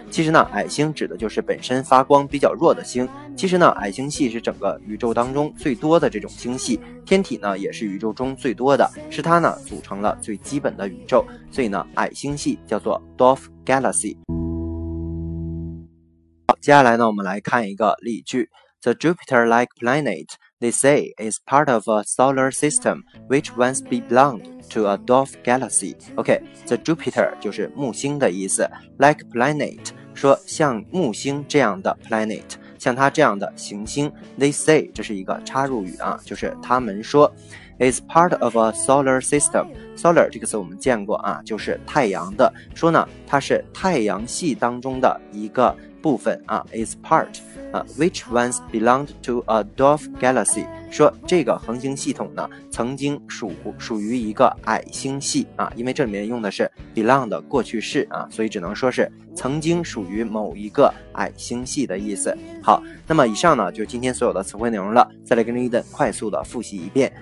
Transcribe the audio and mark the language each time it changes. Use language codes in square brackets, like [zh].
[zh] 其实呢矮星指的就是本身发光比较弱的星。其实呢矮星系是整个宇宙当中最多的这种星系，天体呢也是宇宙中最多的，是它呢组成了最基本的宇宙，所以呢矮星系叫做 Dwarf Galaxy。接下来呢我们来看一个例句。 [en] The Jupiter-like planet they say is part of a solar system which once belonged to a dwarf galaxy. [zh] OK, the Jupiter 就是木星的意思， [en] like planet [zh] 说像木星这样的 planet， 像它这样的行星。 [en] They say [zh] 这是一个插入语啊，就是他们说。 [en] Is part of a solar system. [zh] Solar 这个词我们见过啊，就是太阳的，说呢它是太阳系当中的一个部分啊。 [en] Is part、which once belonged to a dwarf galaxy. [zh] 说这个恒星系统呢曾经属于一个矮星系啊，因为这里面用的是 belong 的过去式啊，所以只能说是曾经属于某一个矮星系的意思。好，那么以上呢就是今天所有的词汇内容了，再来跟着Eden快速的复习一遍。